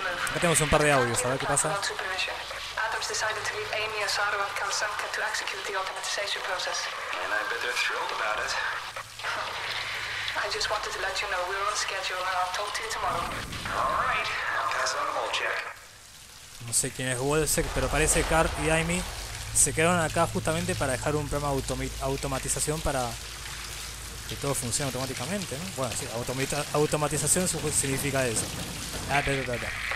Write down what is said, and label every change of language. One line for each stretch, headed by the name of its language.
Spanish: Acá tenemos un par de audios, a ver qué pasa.
English: Decided to leave Amy and Saru at Kamsanka to execute the automatization process. And I bet they're thrilled about it. I just wanted to let you know we're on schedule and I'll talk to you tomorrow. Alright, I'll pass on a hold check.
Spanish: No sé quién es Wolsek, pero parece que Carl y Amy se quedaron acá justamente para dejar un programa de automatización para que todo funcione automáticamente, ¿no? Bueno, sí, automatización significa eso. Ah, pero, pero.